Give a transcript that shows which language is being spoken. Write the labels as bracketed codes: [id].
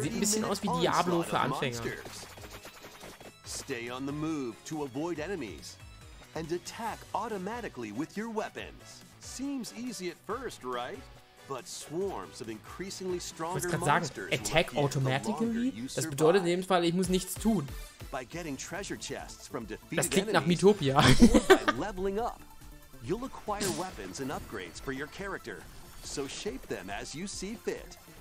[de] Sieht ein bisschen aus wie Diablo für Anfänger. [en] Stay on the move to avoid enemies and attack automatically with your weapons. Seems easy at first, right? But swarms of increasingly stronger monsters. [de] Ich wollte gerade sagen, [en] attack automatically? [de] Das bedeutet in dem Fall, ich muss nichts tun. [en] By getting treasure chests from defeated enemies. [de] Das klingt nach Miitopia. [en] Leveling up. You'll acquire weapons and upgrades for your character, so shape them as you see fit.